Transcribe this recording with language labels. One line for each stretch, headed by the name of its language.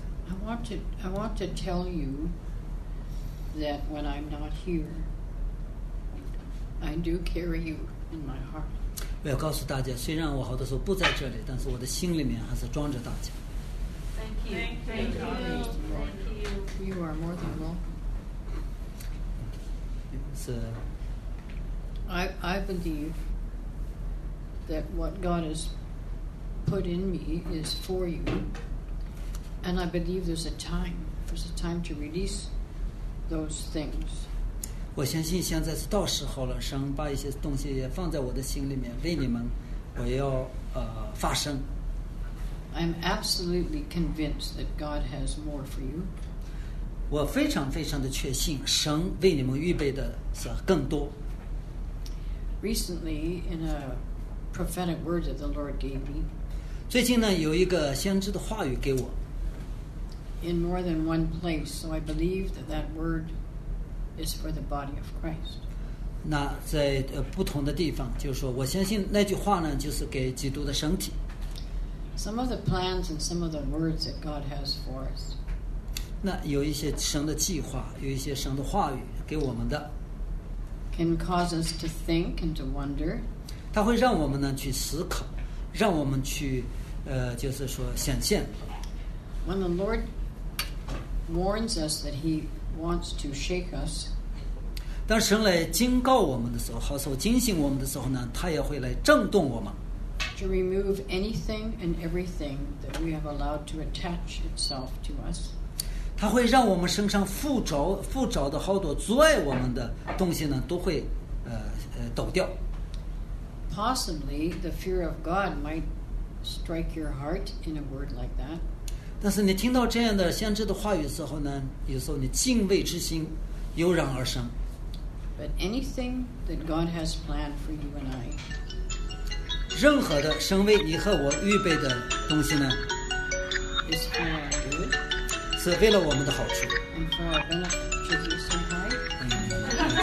English: I want to tell you that when I'm not here, I do carry you in my heart.
Chinese: 我要告诉大家，虽然我好多时候不在这里，但是我的心里面还是装着大家。
English: Thank you. Thank you. You are more than welcome. I believe that what God has put in me is for you. And I believe there's a time to release those things.
Chinese: 我相信现在是到时候了，神把一些东西也放在我的心里面，为你们，我要发声。
English: I'm absolutely convinced that God has more for you.
Chinese: 我非常非常的确信，神为你们预备的是更多。
English: Recently, in a prophetic word that the Lord gave me.
Chinese: 最近呢，有一个先知的话语给我。
English: In more than one place, so I believe that word is for the body of Christ.
Chinese: 那在不同的地方，就是说我相信那句话呢，就是给基督的身体。
English: Some of the plans and some of the words that God has for us.
Chinese: 那有一些神的计划，有一些神的话语给我们的。
English: Can cause us to think and to wonder.
Chinese: 它会让我们呢去思考，让我们去就是说显现。
English: When the Lord warns us that he wants to shake us.
Chinese: 当神来警告我们的时候，好像警醒我们的时候呢，他也会来震动我们。
English: To remove anything and everything that we have allowed to attach itself to us.
Chinese: 他会让我们身上附着的好多阻碍我们的东西呢，都会抖掉。
English: Possibly the fear of God might strike your heart in a word like that.
Chinese: 但是你听到这样的先知的话语之后呢，有时候你敬畏之心油然而生。
English: But anything that God has planned for you and I,
Chinese: 任何的神为你和我预备的东西呢
English: ，is for our good,
Chinese: 是为了我们的好处。
English: And for our benefit, to use and hide.